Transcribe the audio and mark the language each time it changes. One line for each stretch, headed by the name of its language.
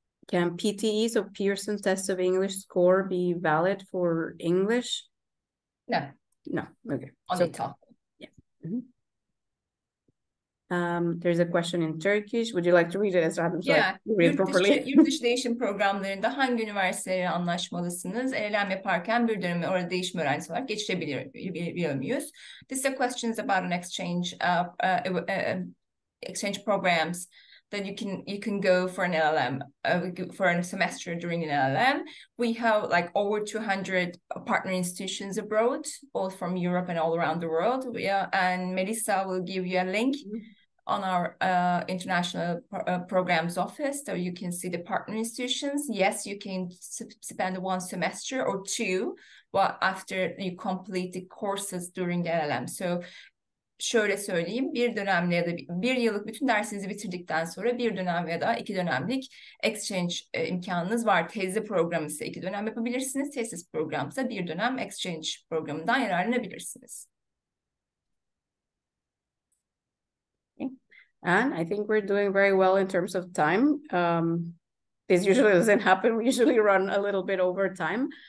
English: Can PTE, so Pearson Test of English Score, be valid for English? No. Okay. Only TOEFL. There's a question in Turkish. Would you like to read it as well? Properly.
Turkish: Yurt dışı değişim programlarında hangi üniversiteye anlaşmalısınız? LLM yaparken bir dönem orada değişim öğrencisi olarak geçirebiliyor muyuz?
English: This is a question about an exchange programs that you can go for an LLM for a semester during an LLM. We have like over 200 partner institutions abroad, both from Europe and all around the world. And Melissa will give you a link on our international programs office, so you can see the partner institutions. Yes, you can spend one semester or two, but after you complete the courses during the LLM.
Turkish: So şöyle söyleyeyim, bir dönemli ya da bir yıllık bütün dersinizi bitirdikten sonra bir dönem ya da iki dönemlik exchange imkanınız var. Tezli program ise iki dönem yapabilirsiniz. Tezli program ise bir dönem exchange programından yararlanabilirsiniz.
English: Okay. And I think we're doing very well in terms of time. This usually doesn't happen. We usually run a little bit over time.